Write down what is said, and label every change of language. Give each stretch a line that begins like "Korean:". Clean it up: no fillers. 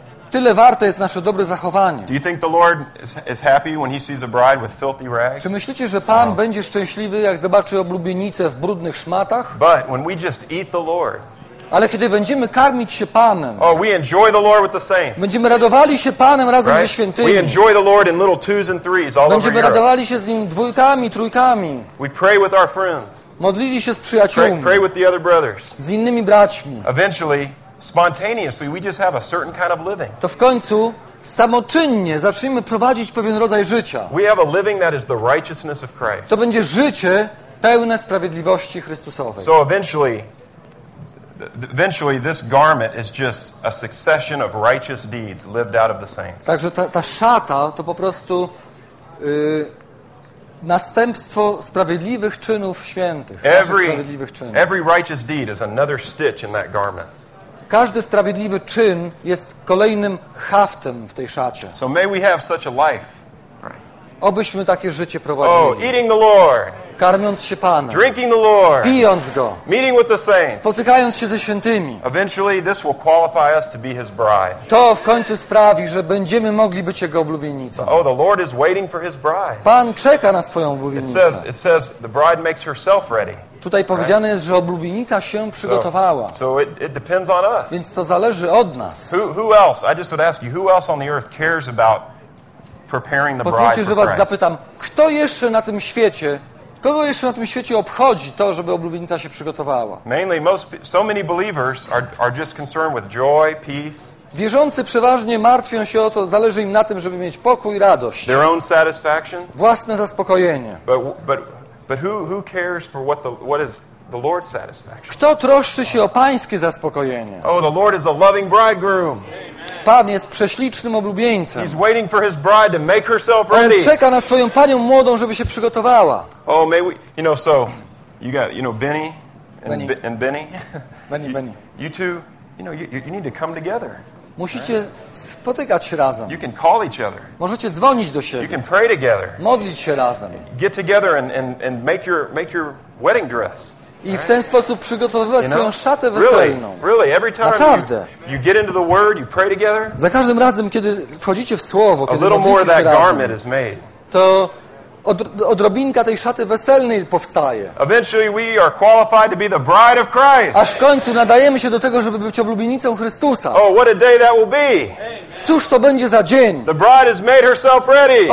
Polish: Tyle warte jest nasze dobre zachowanie.
English: Do you think the Lord is happy when he sees a bride with filthy rags?
Polish: Czy myślicie, że Pan będzie szczęśliwy, jak zobaczy oblubienicę w brudnych szmatach?
English: But when we just eat the Lord,
Polish: ale kiedy będziemy karmić się Panem,
English: oh, we enjoy the Lord with the saints.
Polish: Będziemy radowali się Panem razem right? ze świętymi.
English: We enjoy the Lord in little twos and threes all
Polish: będziemy
English: over
Polish: radowali
English: Europe.
Polish: Się z Nim dwójkami, trójkami.
English: We pray with our friends.
Polish: Modlili się z przyjaciółmi.
English: Pray with the other brothers.
Polish: Z innymi braćmi.
English: Eventually, spontaneously, we just have a certain kind of living.
Polish: To w końcu samoczynnie zaczniemy prowadzić pewien rodzaj życia.
English: We have a living that is the righteousness of Christ.
Polish: To będzie życie pełne sprawiedliwości Chrystusowej.
English: So eventually this garment is just a succession of righteous deeds lived out of the saints.
Polish: Także ta szata to po prostu następstwo sprawiedliwych czynów świętych.
English: Every righteous deed is another stitch in that garment.
Polish: Każdy sprawiedliwy czyn jest kolejnym haftem w tej szacie.
English: So may we have such a life.
Polish: Obyśmy takie życie prowadzili.
English: Oh, eating the Lord.
Polish: Karmiąc się Panem.
English: Drinking the Lord.
Polish: Pijąc Go.
English: Meeting with the saints.
Polish: Spotykając się ze świętymi.
English: Eventually this will qualify us to be His bride.
Polish: To w końcu sprawi, że będziemy mogli być Jego oblubienicą.
English: Oh, the Lord is waiting for His bride.
Polish: Pan czeka na swoją oblubienicę.
English: It says the bride makes herself ready.
Polish: Tutaj powiedziane jest, że oblubienica się przygotowała.
English: So it depends on us.
Polish: Więc to zależy od nas.
English: Who else? I just would ask you, who else on the earth cares about preparing the bride for Christ?
Polish: Pozwólcie, że was zapytam, kto jeszcze na tym świecie, kogo jeszcze na tym świecie obchodzi to, żeby oblubienica się przygotowała?
English: Mainly most, so many believers are just concerned with joy, peace.
Polish: Wierzący przeważnie martwią się o to, zależy im na tym, żeby mieć pokój i radość.
English: Their own satisfaction.
Polish: Własne zaspokojenie.
English: But who cares for what is the Lord's satisfaction?
Polish: Kto troszczy się o pańskie zaspokojenie?
English: Oh, the Lord is a loving bridegroom.
Polish: Pan jest prześlicznym oblubieńcem.
English: He's waiting for his bride to make herself ready.
Polish: On czeka na swoją panią młodą, żeby się przygotowała.
English: Oh, may we, you know, so you got, you know, Benny. Benny. You two, you know, you need to come together.
Polish: Musicie spotykać się razem.
English: You can call each other.
Polish: Możecie dzwonić do siebie.
English: You can pray together.
Polish: Modlić się razem.
English: Get together and make your wedding dress.
Polish: I w ten sposób przygotowywać swoją szatę weselną.
English: Really, every time you get into the word, you pray together.
Polish: Za każdym razem, kiedy wchodzicie w słowo, kiedy modlicie się razem, to odrobinka tej szaty weselnej powstaje.
English: Eventually we are qualified to be the bride of Christ.
Polish: Aż w końcu nadajemy się do tego, żeby być oblubienicą Chrystusa.
English: Oh, what a day that will be.
Polish: Cóż to będzie za dzień?
English: The bride has made herself ready.